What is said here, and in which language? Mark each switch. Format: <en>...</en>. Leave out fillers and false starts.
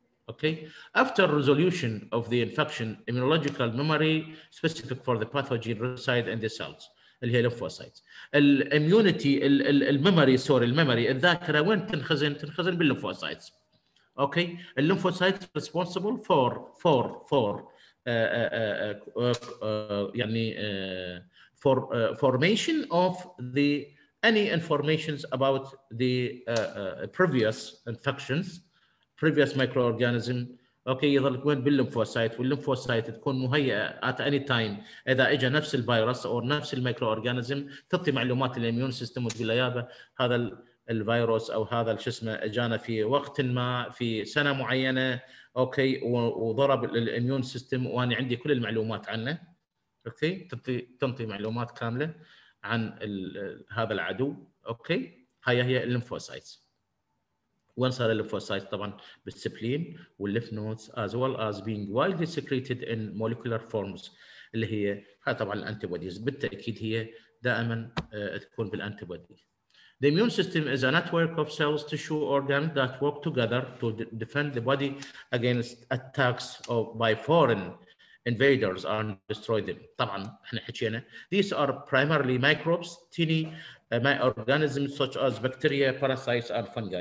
<en>Okay, after resolution of the infection, immunological memory specific for the pathogen reside in the cells, the lymphocytes. Immunity, the memory,</en> <ar>الذاكرة وين تنخزن؟ تنخزن باللمفوسايتس.</ar> <en>Okay, the lymphocytes responsible for formation of the any informations about the previous infections. Previous microorganism,</en> <ar>okay, يظل كون باللمفوسايت، واللمفوسايت تكون مهيئة</ar> <en>at any time.</en> <ar>إذا إجا نفس الفيروس أو نفس الميكروorganism تعطي معلومات الإميون سيستم وتقول يابا هذا الفيروس أو هذا الشسمة إجانا في وقت ما في سنة معينة، okay، وضرب الإميون سيستم وأنا عندي كل المعلومات عنه، okay، تعطي معلومات كاملة عن هذا العدو، okay، هاي هي اللمفوسايت. وين صار الليمفوسايت؟ طبعا بالسبلين والليف نودز</ar> <en>as well as being widely secreted in molecular forms</en> <ar>اللي هي ها طبعا الانتيبوديز، بالتاكيد هي دائما تكون بالانتيبودي.</ar> <en>The immune system is a network of cells, tissue, organs that work together to defend the body against attacks of by foreign invaders and destroy them.</en> <ar>طبعا احنا حكينا</ar> <en>these are primarily microbes, tiny my organisms such as bacteria, parasites, and fungi.</en>